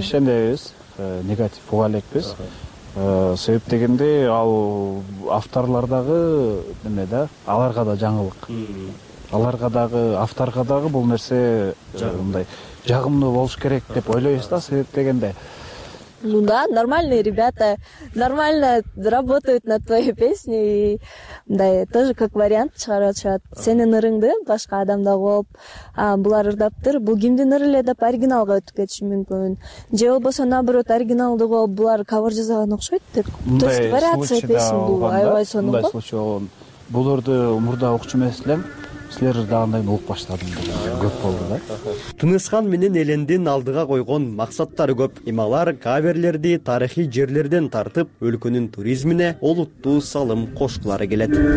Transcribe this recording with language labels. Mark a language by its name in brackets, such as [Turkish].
[Kyrgyz] Ишенебиз, негатив уга элекпиз. Себеп дегенде ал авторлор дагы эме да, аларга да жаңылык. Аларга дагы, авторго дагы бул нерсе мындай жагымдуу болуш керек деп ойлойбуз да, себеп дегенде. [Russian] Ну да, нормальные ребята, нормально работают над твоей песней. Да, тоже как вариант [Kyrgyz] чыгарып атышат. Сенин ырыңды башка адамда болуп, булар ырдаптыр, бул кимдин ыры эле деп оригиналга өтүп кетиши мүмкүн. Же болбосо наоборот оригиналды болуп, булар кавер жасаган окшойт деп. [Russian] То есть вариация песни [Kyrgyz] бул аябай сонун. Мындай случай болгон. Бул ырды мурда укчу эмес элем. Силер ырдагандан кийин угуп баштадым деген көп болду да. Тыныскан менен Элендин алдыга койгон максаттары көп. Эми алар каверлерди тарыхый жерлерден тартып, өлкөнүн туризмине олуттуу салым кошкулары келет.